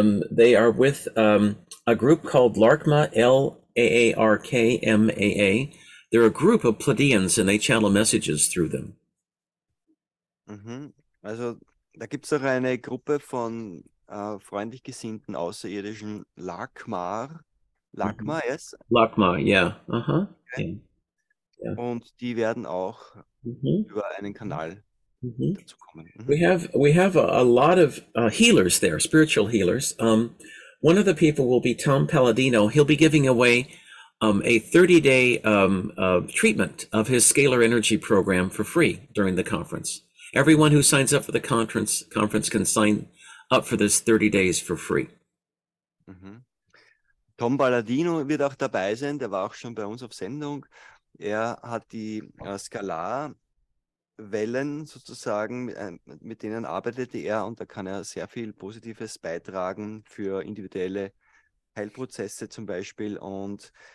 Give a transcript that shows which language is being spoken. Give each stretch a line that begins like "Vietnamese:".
English: They are with a group called LARKMA, LARKMAA. They're a group of Pleiadians, and they channel messages through them.
German: Also, da gibt es auch eine Gruppe von freundlich gesinnten Außerirdischen, LAKMAR.
English: LAKMAR, yes. LACMA, yeah.
German: Und die werden auch über einen Kanal dazu kommen.
English: We have a lot of healers there, spiritual healers. One of the people will be Tom Palladino. He'll be giving away a 30-day treatment of his scalar energy program for free during the conference. Everyone who signs up for the conference can sign up for this 30 days for free.
German: Tom Baladino wird auch dabei sein, der war auch schon bei uns auf Sendung. Er hat die Skalarwellen sozusagen, mit denen arbeitet er und da kann er sehr viel Positives beitragen für individuelle Heilprozesse zum Beispiel. Und